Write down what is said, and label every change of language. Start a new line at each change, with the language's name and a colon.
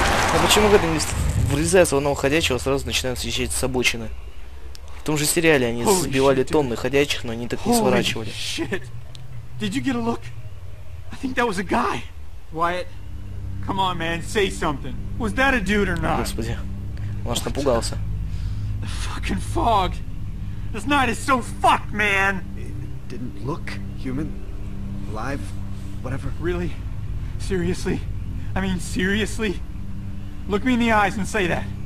Russian: А почему когда они врезаются в одного ходячего, сразу начинают съезжать с обочины? В том же сериале они сбивали тонны ходячих, но они так не сворачивали.
English: Did you get a look? I think that was a guy. Wyatt, come on, man, say something. Was that a dude or not?
Russian: Господи, он аж напугался.
English: The fucking fog. This night is so fucked, man. It didn't look human, alive, whatever. Really? Seriously? I mean, seriously? Look me in the eyes and say that.